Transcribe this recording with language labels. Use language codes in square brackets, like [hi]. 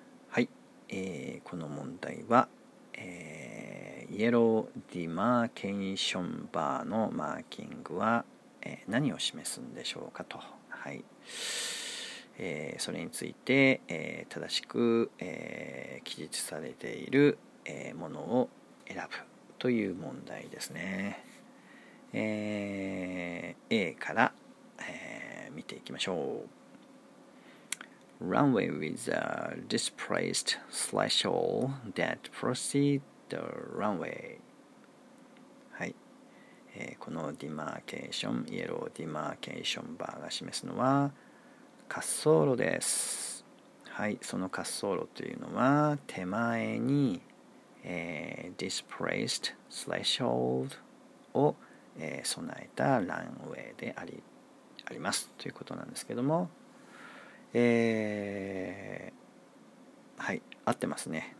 [ja] はい、この問題は、イエローディマーケーションバーのマーキングは、何を示すんでしょうかと、はい、それについて、正しく、記述されている、ものを選ぶという問題ですね。 A から、見ていきましょう。 [en] Runway with a displaced threshold that proceed the runway. [ja] はい、このディマーケーション、イエローディマーケーションバーが示すのは滑走路です。はい、その滑走路というのは手前に、displaced threshold を、備えたランウェイでありますということなんですけども、はい、合ってますね。